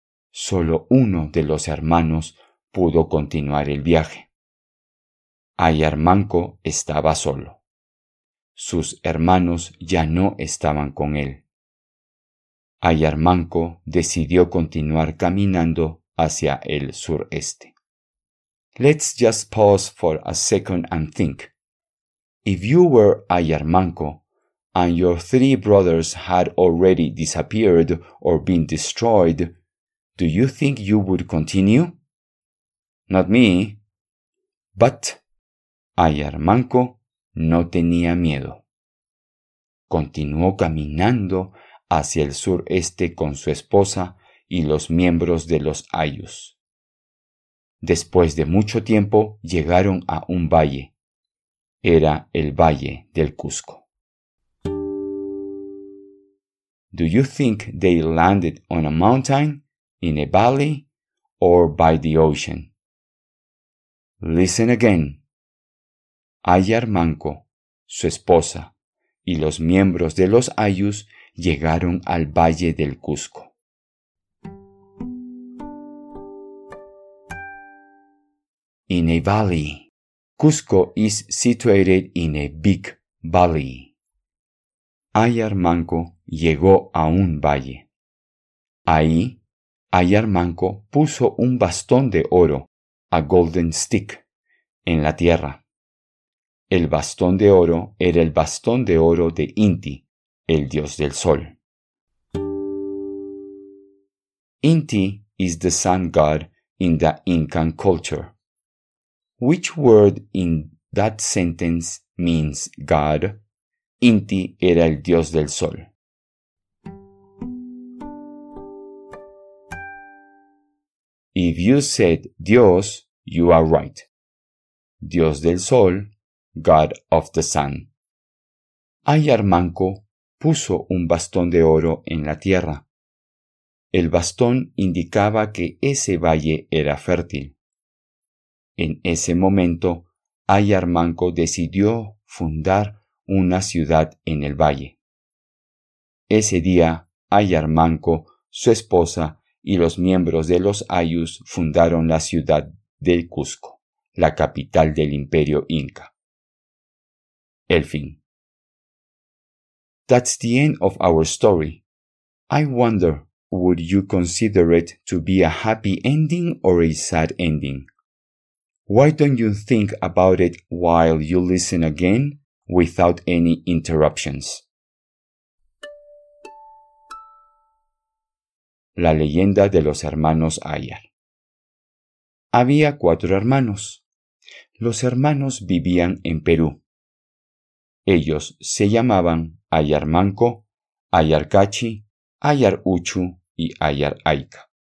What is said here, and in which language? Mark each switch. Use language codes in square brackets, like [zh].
[es] Solo uno de los hermanos pudo continuar el viaje. Ayar Manco estaba solo. Sus hermanos ya no estaban con él. Ayar Manco decidió continuar caminando hacia el sureste. [en] Let's just pause for a second and think. If you were Ayar Manco and your three brothers had already disappeared or been destroyed, do you think you would continue? Not me. But [es] Ayar Manco no tenía miedo. Continuó caminando hacia el sureste con su esposa y los miembros de los Ayus. Después de mucho tiempo, llegaron a un valle. Era el Valle del Cusco. [en] Do you think they landed on a mountain, in a valley, or by the ocean? Listen again. [es] Ayar Manco, su esposa, y los miembros de los Ayus llegaron al Valle del Cusco. [en] In a valley. Cusco is situated in a big valley. [es] Ayar Manco llegó a un valle. Ahí, Ayar Manco puso un bastón de oro, [en] a golden stick, [es] en la tierra. El bastón de oro era el bastón de oro de Inti, el dios del sol. [en] Inti is the sun god in the Incan culture. Which word in that sentence means god? [es] Inti era el dios del sol. [en] If you said dios, you are right. [es] Dios del sol, [en] god of the sun. [es] Ayar Manco puso un bastón de oro en la tierra. El bastón indicaba que ese valle era fértil. En ese momento, Ayar Manco decidió fundar una ciudad en el valle. Ese día, Ayar Manco, su esposa y los miembros de los Ayus fundaron la ciudad del Cusco, la capital del Imperio Inca. El fin. [en] That's the end of our story. I wonder, would you consider it to be a happy ending or a sad ending? Why don't you think about it while you listen again without any interruptions? [es] La leyenda de los hermanos Ayar. Había cuatro hermanos. Los hermanos vivían en Perú. Ellos se llamaban Ayar Manco, Ayar Cachi, Ayar Uchu y Ayar Aika.